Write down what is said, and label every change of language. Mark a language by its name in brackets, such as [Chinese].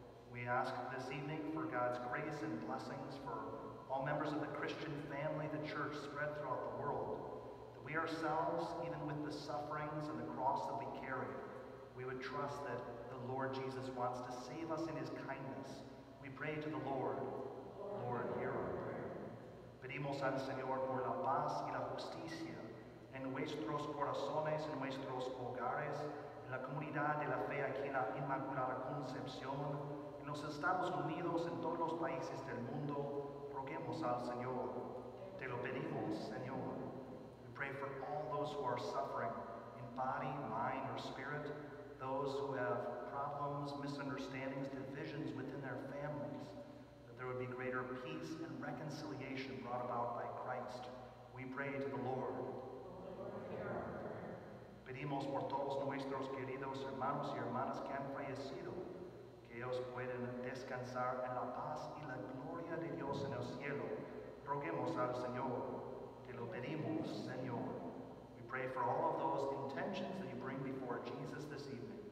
[English] We ask this evening for God's grace and blessings for all members of the Christian family, the church spread throughout the world, that we ourselves, even with the sufferings and the cross that we carry, we would trust that the the Lord Jesus wants to save us in his kindness. We pray to the Lord. Lord, hear our prayer. [Spanish] Pedimos al Señor por la paz y la justicia en nuestros corazones, en nuestros hogares, en la comunidad de la fe aquí en la Inmaculada Concepción, en los Estados Unidos, en todos los países del mundo. Roguemos al Señor. Te lo pedimos, Señor. [English] We pray for all those who are suffering in body, mind, or spirit, those who have problems, misunderstandings, divisions within their families, that there would be greater peace and reconciliation brought about by Christ. We pray to the Lord. [Spanish] Pedimos por todos nuestros queridos hermanos y hermanas que han fallecido, que ellos puedan descansar en la paz y la gloria de Dios en el cielo. Roguemos al Señor. Te lo pedimos, Señor. [English] We pray for all of those intentions that you bring before Jesus this evening.